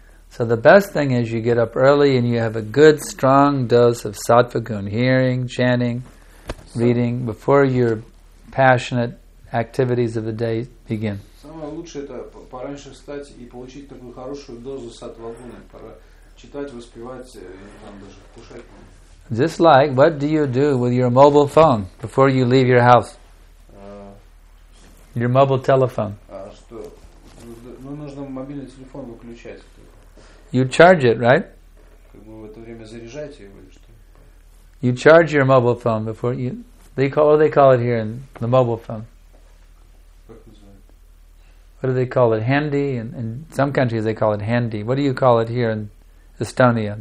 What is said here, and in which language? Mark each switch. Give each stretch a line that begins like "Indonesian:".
English: So the best thing is you get up early and you have a good strong dose of sattvaguna. Hearing, chanting, reading before your passionate activities of the day begin.
Russian: Самое лучшее это пораньше встать и получить такую хорошую дозу сатвагуны, пора читать, воспевать, там даже кушать.
English: Just like, what do you do with your mobile phone before you leave your house? Your mobile telephone.
Russian: Что? Ну, нужно мобильный телефон выключать.
English: You charge it, right?
Russian: Как бы в это время заряжаете его или что?
English: You charge your mobile phone before you... What do they call it here, in the mobile phone? What do they call it? Handy? In some countries they call it handy. What do you call it here in Estonia?